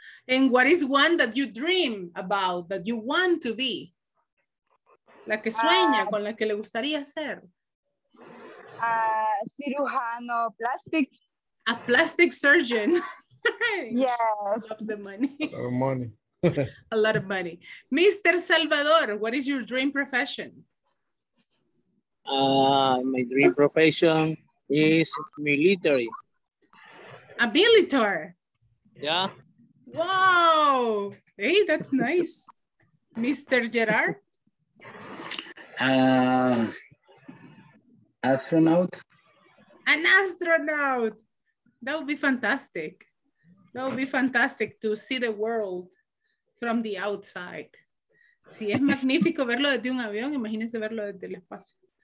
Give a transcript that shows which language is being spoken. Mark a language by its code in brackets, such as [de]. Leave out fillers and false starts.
[en] And what is one that you dream about, that you want to be? [es] La que sueña, con la que le gustaría ser. Cirujano plastic. [en] A plastic surgeon. Yes. Loves the money. A lot of money. A lot of money. Mr. Salvador, what is your dream profession? My dream profession is military. A military. Yeah. Wow. Hey, that's nice. Mr. Gerard? Astronaut. An astronaut. That would be fantastic. That would be fantastic to see the world from the outside. [es] Si es magnífico verlo desde un avión, imagínese verlo desde el espacio.